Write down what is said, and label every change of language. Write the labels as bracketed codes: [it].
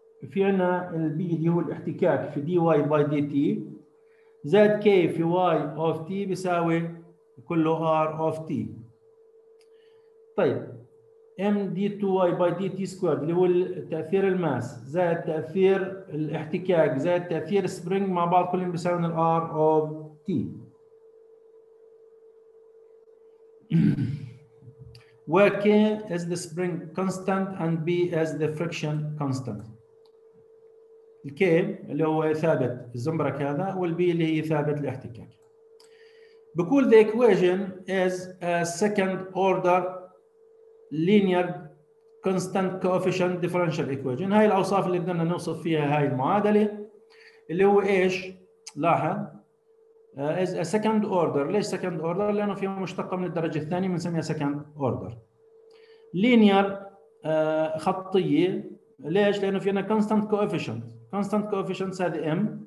[ar] في عندنا البي اللي هو الاحتكاك في دي واي باي دي تي زائد كي في واي اوف تي بيساوي كله R of T. طيب M D2Y by DT squared اللي هو تأثير الماس زائد تأثير الاحتكاك زائد تأثير spring مع بعض كلهم بيساوي ال R of T. [en] Where K is the spring constant and B is the friction constant. [ar] ال K اللي هو ثابت الزمبرك هذا، وال B اللي هي ثابت الاحتكاك. بقول [en] the equation is a second order linear constant coefficient differential equation، [ar] هاي الأوصاف اللي بدنا نوصف فيها هاي المعادلة اللي هو إيش؟ لاحظ [en] is a second order، [ar] ليش second order؟ لأنه فيها مشتقة من الدرجة الثانية بنسميها second order linear خطية، ليش؟ لأنه فيها constant coefficient، constant coefficient هذه M